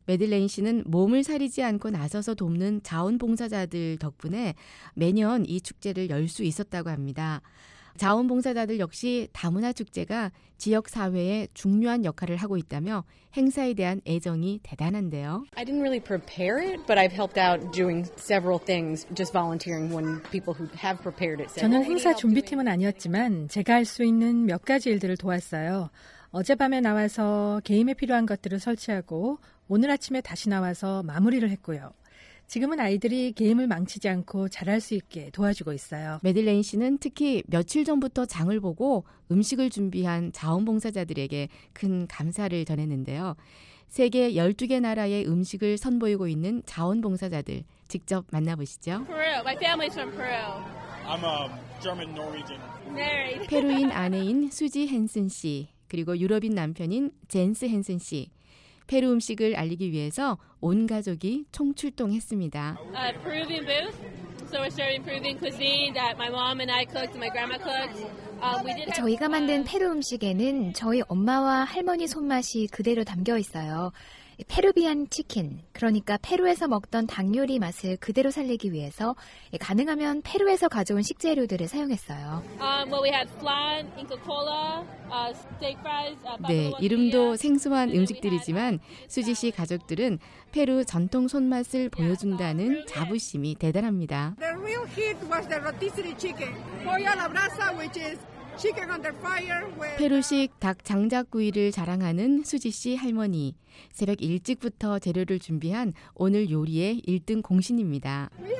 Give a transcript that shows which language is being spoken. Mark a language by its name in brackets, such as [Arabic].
[Korean] 메들레인 씨는 몸을 사리지 않고 나서서 돕는 자원봉사자들 덕분에 매년 이 축제를 열 수 있었다고 합니다. 자원봉사자들 역시 다문화 축제가 지역 사회에 중요한 역할을 하고 있다며 행사에 대한 애정이 대단한데요. [English] I didn't really prepare it, but I've helped out doing several things, just volunteering when people who have prepared it. [Korean] 저는 행사 준비팀은 아니었지만 제가 할 수 있는 몇 가지 일들을 도왔어요. 어젯밤에 나와서 게임에 필요한 것들을 설치하고 오늘 아침에 다시 나와서 마무리를 했고요. 지금은 아이들이 게임을 망치지 않고 잘할 수 있게 도와주고 있어요. 메들레인 씨는 특히 며칠 전부터 장을 보고 음식을 준비한 자원봉사자들에게 큰 감사를 전했는데요. 세계 12개 나라의 음식을 선보이고 있는 자원봉사자들 직접 만나보시죠. [English] Peru. My family's from Peru. I'm a German Norwegian. Married. [Korean] 페루인 아내인 수지 헨슨 씨, 그리고 유럽인 남편인 젠스 헨슨 씨. 페루 음식을 알리기 위해서 온 가족이 총출동했습니다. [English] Peruvian booth. So we're sharing Peruvian cuisine that my mom and I cooked and my grandma cooked. [Korean] 저희가 만든 페루 음식에는 저희 엄마와 할머니 손맛이 그대로 담겨 있어요. 페루비안 치킨, 그러니까 페루에서 먹던 닭 요리 맛을 그대로 살리기 위해서 가능하면 페루에서 가져온 식재료들을 사용했어요. [English] Well, we had flan, Inca Kola, steak fries, [Korean] 네, 이름도 생소한 음식들이지만 수지 씨 가족들은 페루 전통 손맛을 보여준다는 자부심이 대단합니다. [English] The real hit was the rotisserie chicken. Pollo a la brasa, which is chicken under fire. [Korean] 페루식 닭 장작구이를 자랑하는 수지 씨 할머니. 새벽 일찍부터 재료를 준비한 오늘 요리의 1등 공신입니다.